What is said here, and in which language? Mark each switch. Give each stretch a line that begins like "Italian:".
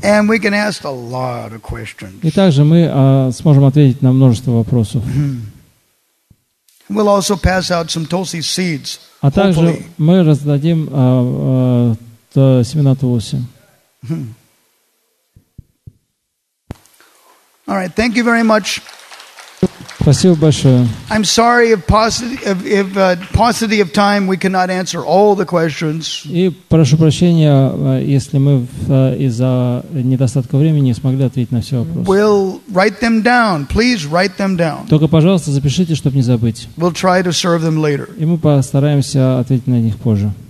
English: And we can ask a lot of questions.
Russian: И также мы сможем ответить на множество вопросов.
English: We'll also pass out some Tulsi seeds.
Russian: А также мы раздадим семена Тулси.
English: All right, thank you very much.
Russian: Спасибо большое.
English: I'm sorry if paucity of time we cannot answer all the questions.
Russian: И прошу прощения, если мы из-за недостатка времени не смогли ответить на все вопросы.
English: We'll write them down. Please write them down.
Russian: Только, пожалуйста, запишите, чтобы не забыть.
English: We'll try to serve them later.
Russian: И мы постараемся ответить на них позже.